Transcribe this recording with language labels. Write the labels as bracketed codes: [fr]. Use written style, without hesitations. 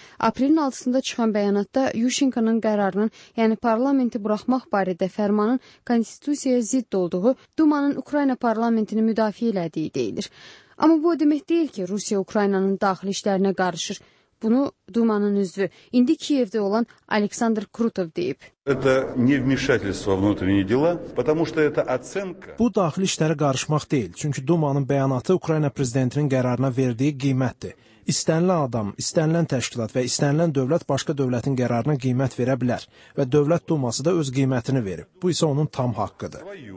[az] Апрелин 6-сында чыхан бәянатта Ющенко'нын гарар Yəni parlamenti buraxmaq barədə fərmanın konstitusiyaya zidd olduğu Dumanın Ukrayna parlamentini müdafiə elədiyi deyilir. Amma bu o demək deyil ki, Rusiya Ukraynanın daxili işlərinə qarışır. Bunu Dumanın üzvü, indi Kiyevdə olan Aleksandr Krutov deyib. [ru] Это не вмешательство во внутренние дела, потому что это оценка. [az] Bu daxili işlərə qarışmaq deyil, çünki Dumanın bəyanatı Ukrayna prezidentinin qərarına verdiyi qiymətdir. İstənilən adam, istənilən təşkilat və istənilən dövlət başqa dövlətin qərarına qiymət verə bilər və dövlət duması da öz qiymətini verib. Bu isə onun tam haqqıdır.